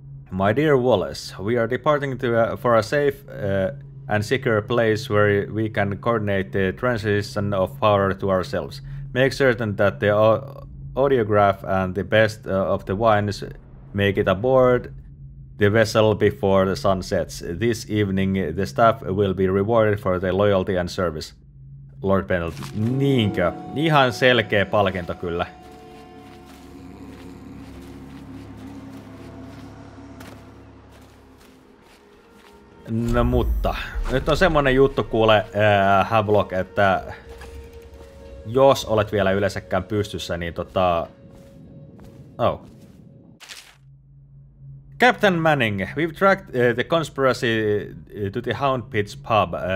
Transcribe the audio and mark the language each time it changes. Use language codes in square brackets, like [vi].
[en] My dear Wallace, we are departing for a safe and secure place where we can coordinate the transition of power to ourselves. Make certain that the audiograph and the best of the wines make it aboard the vessel before the sun sets. This evening the staff will be rewarded for their loyalty and service. [fi] Lord Pendleton. Niinkö? Ihan selkeä palkinto kyllä. No mutta. Nyt on semmonen juttu kuule, Havlock, että jos olet vielä yleensäkään pystyssä, niin Oh. [en] Captain Manning, we've tracked the conspiracy to the Hound Pits pub.